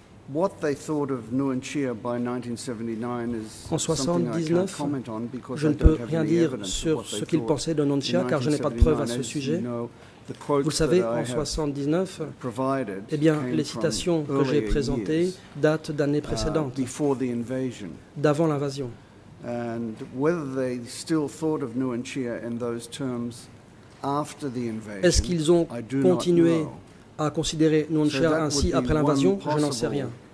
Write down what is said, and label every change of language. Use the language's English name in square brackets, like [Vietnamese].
[English] What they thought of Nguyen Chia by 1979 is something I can't comment on because [French] je ne peux rien dire sur ce qu'ils pensaient de Nguyen Chia car je n'ai pas de preuves à ce sujet. Vous savez, en 1979, eh bien, les citations que j'ai présentées datent d'années précédentes, d'avant l'invasion. [English] And whether they still thought of Nguyen Chia in those terms after the invasion, [French] est-ce qu'ils ont continué à considérer Nguyen Chia ainsi après l'invasion? Je n'en sais rien.